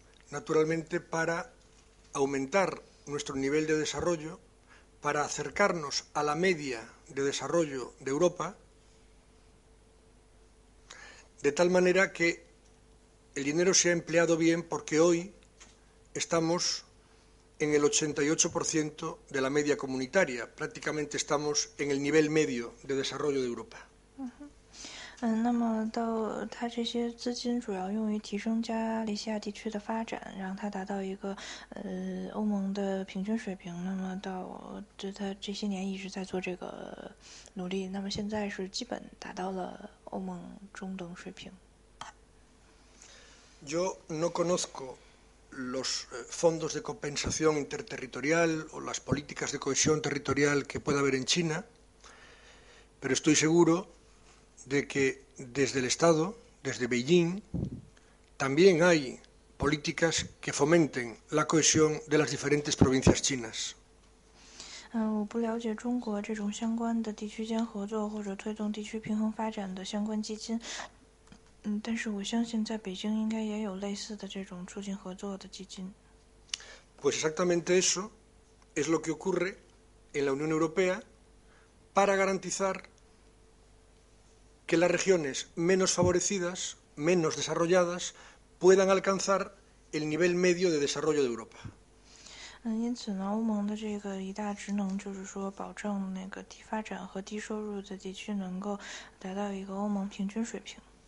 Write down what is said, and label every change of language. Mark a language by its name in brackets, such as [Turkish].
[Spanish] Naturalmente para aumentar nuestro nivel de desarrollo, para acercarnos a la media de desarrollo de Europa, de tal manera que el dinero se ha empleado bien porque hoy estamos en el 88% de la media comunitaria, prácticamente estamos en el nivel medio de desarrollo de Europa. [Chinese] 那么到它这些资金主要用于提升加利西亚地区的发展，让它达到一个欧盟的平均水平。那么到这它这些年一直在做这个努力，那么现在是基本达到了欧盟中等水平。 [Spanish] Yo no conozco los fondos de compensación interterritorial o las políticas de cohesión territorial que pueda haber en China, pero estoy seguro de que desde el Estado, desde Beijing, también hay políticas que fomenten la cohesión de las diferentes provincias chinas. [Chinese] 我不了解中国这种相关的地区间合作或者推动地区平衡发展的相关基金，但是我相信在北京应该也有类似的这种促进合作的基金。 [Spanish] Pues exactamente eso es lo que ocurre en la Unión Europea para garantizar que las regiones menos favorecidas, menos desarrolladas, puedan alcanzar el nivel medio de desarrollo de Europa. [Chinese] 因此呢，欧盟的这个一大职能就是说，保证那个低发展和低收入的地区能够达到一个欧盟平均水平。